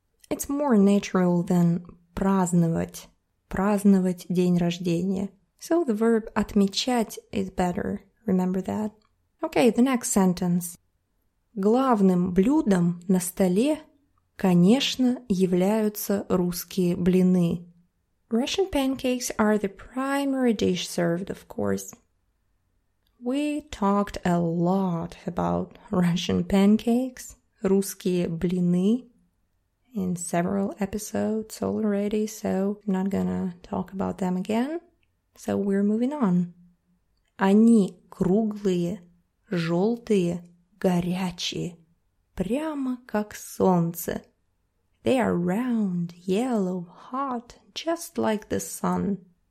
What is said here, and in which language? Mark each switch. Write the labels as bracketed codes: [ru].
[en] It's more natural than [ru] праздновать. Праздновать день рождения. [en] So the verb [ru] отмечать [en] is better. Remember that. Okay, the next sentence. [ru] Главным блюдом на столе, конечно, являются русские блины. [en] Russian pancakes are the primary dish served, of course. We talked a lot about Russian pancakes, [ru] русские блины, [en] in several episodes already, so I'm not gonna talk about them again. So we're moving on. [ru] Они круглые, желтые, горячие, прямо как солнце. [en] They are round, yellow, hot, just like the sun.